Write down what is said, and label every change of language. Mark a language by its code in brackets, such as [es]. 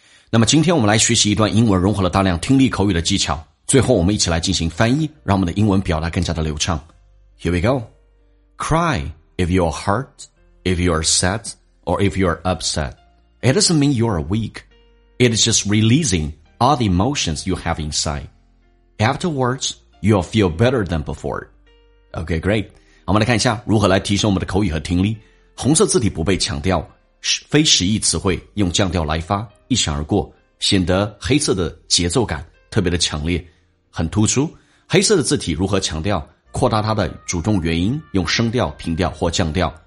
[zh] 那么今天我们来学习一段英文融合了大量听力口语的技巧，最后我们一起来进行翻译，让我们的英文表达更加的流畅。 [en] Here we go. Cry if you are hurt, if you are sad, or if you are upset. It doesn't mean you are weak. It is just releasing all the emotions you have inside. Afterwards, you will feel better than before. Okay, great. [zh] 我们来看一下如何来提升我们的口语和听力。红色字体不被强调，非实义词汇用降调来发，一闪而过，显得黑色的节奏感特别的强烈，很突出。黑色的字体如何强调，扩大它的主动元音，用升调、平调或降调。